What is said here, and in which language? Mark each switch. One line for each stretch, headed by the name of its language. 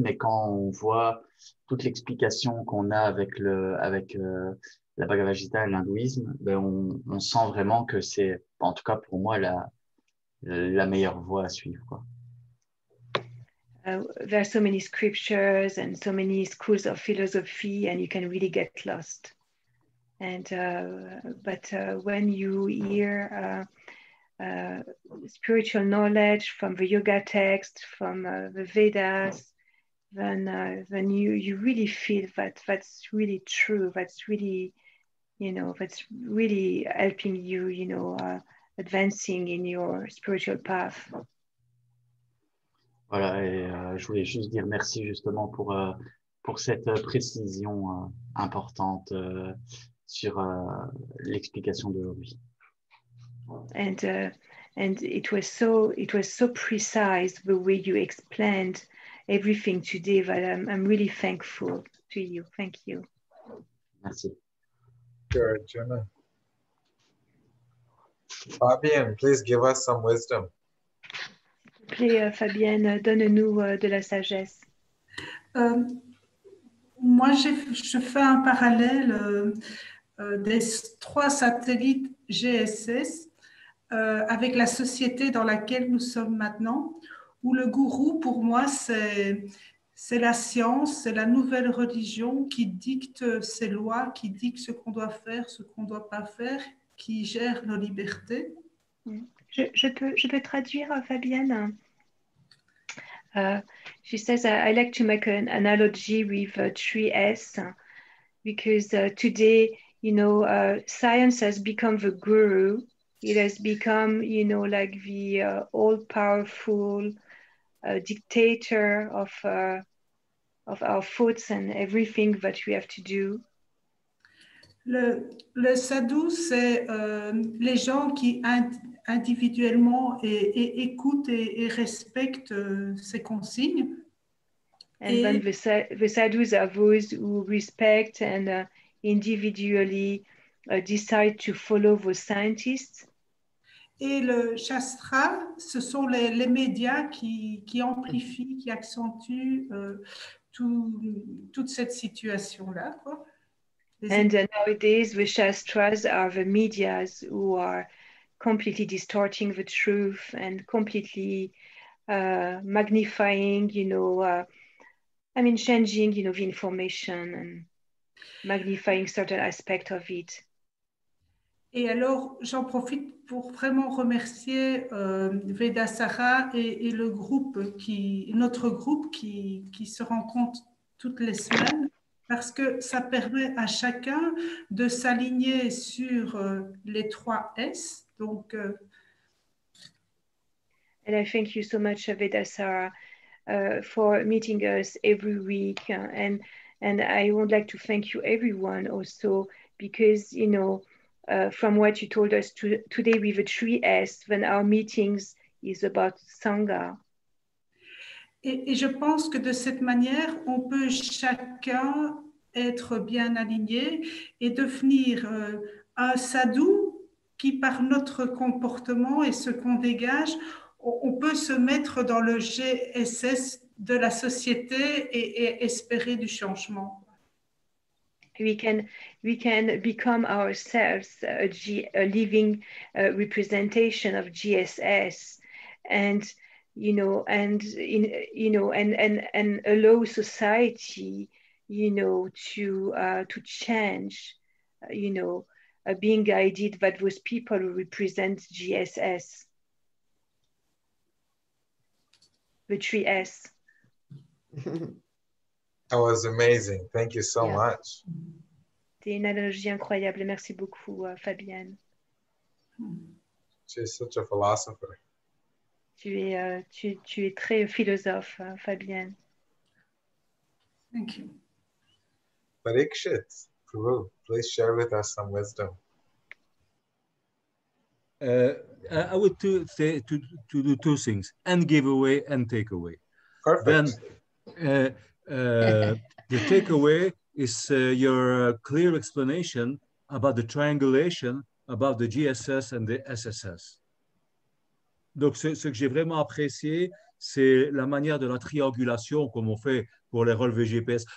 French: Mais quand on voit toute l'explication qu'on a avec la Bhagavad Gita et l'hindouisme, ben on sent vraiment que c'est, en tout cas pour moi, la meilleure voie à suivre, quoi.
English: There are so many scriptures and so many schools of philosophy, and you can really get lost. But when you hear spiritual knowledge from the yoga text, from the Vedas, then you really feel that that's really true. That's really, you know, that's really helping you, you know, advancing in your spiritual path.
French: Voilà, et je voulais juste dire merci justement pour cette précision importante sur l'explication de lui.
English: And it was so precise the way you explained everything today, that I'm really thankful to you. Thank you.
French: Merci.
English: Sure, Jenna. Fabien, please give us some wisdom.
French: Fabienne, donne-nous de la sagesse. Moi, je fais un parallèle des trois satellites GSS avec la société dans laquelle nous sommes maintenant, où le gourou, pour moi, c'est la science, c'est la nouvelle religion qui dicte ses lois, qui dicte ce qu'on doit faire, ce qu'on ne doit pas faire, qui gère nos libertés. Je peux traduire, Fabienne?
English: She says, I like to make an analogy with 3S, because today, you know, science has become the guru. It has become, you know, like the all-powerful dictator of our thoughts and everything that we have to do.
French: Le sadhu, c'est les gens qui individuellement et écoutent et respectent ces consignes.
English: And then the sadhus are those who respect and individually decide to follow the scientists.
French: Et le shastra, ce sont les médias qui amplifient, qui accentuent toute cette situation-là, quoi.
English: And nowadays, the Shastras are the medias who are completely distorting the truth and completely magnifying, you know, changing, you know, the information and magnifying certain aspects of it.
French: Et alors, j'en profite pour vraiment remercier Vedasara et le groupe, notre groupe qui se rencontre toutes les semaines. Parce que ça permet à chacun de s'aligner sur les trois S. Donc,
English: and I thank you so much, Vedasara, for meeting us every week. And I would like to thank you everyone also, because, you know, from what you told us today with the 3S, when our meetings is about Sangha.
French: Et je pense que de cette manière, on peut chacun être bien aligné et devenir un sadhu qui, par notre comportement et ce qu'on dégage, on peut se mettre dans le GSS de la société et espérer du changement.
English: we can become ourselves a living representation of GSS, and you know, and in, you know, and allow society, you know, to change, you know, being guided by those people who represent GSS, the 3S. That was amazing. Thank you so much.
French: C'est une analogie incroyable. Merci beaucoup, Fabienne.
English: She's such a philosopher.
French: Tu es très philosophe, Fabienne.
English: Thank you. Parikshit, Prabhu, please share with us some wisdom. I would say to do two things, and give away and take away. Perfect. Then, the takeaway is your clear explanation about the triangulation about the GSS and the SSS.
French: Donc, ce que j'ai vraiment apprécié, c'est la manière de la triangulation comme on fait pour les relevés GPS.